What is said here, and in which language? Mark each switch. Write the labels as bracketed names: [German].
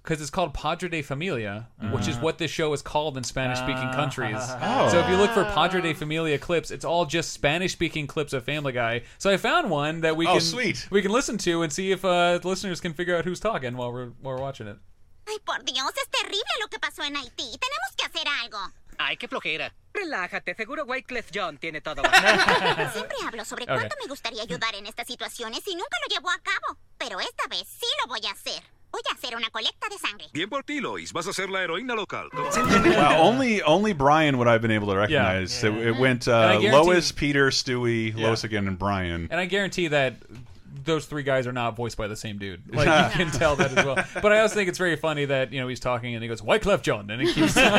[English] Because it's called Padre de Familia, which is what this show is called in Spanish-speaking countries. Oh. So if you look for Padre de Familia clips, it's all just Spanish-speaking clips of Family Guy. So I found one that we can listen to and see if the listeners can figure out who's talking while we're watching it. [Spanish] Ay, por Dios, es terrible lo que pasó en Haití. Tenemos que hacer algo. Ay, qué flojera. Relájate, seguro Wycliffe John tiene todo. Siempre hablo sobre cuánto me gustaría ayudar en estas situaciones y nunca lo llevo a cabo. Pero esta vez sí lo voy a hacer. Voy a hacer una colecta de sangre. Bien por ti, Lois. Vas a ser la heroína local. [English] Well, only Brian would I have been able to recognize. Yeah. Yeah. It went Lois, Peter, Stewie, Lois again, and Brian. And I guarantee that... those three guys are not voiced by the same dude. Like, you can tell that as well. But I also think it's very funny that, you know, he's talking and he goes, Wyclef John, and he keeps...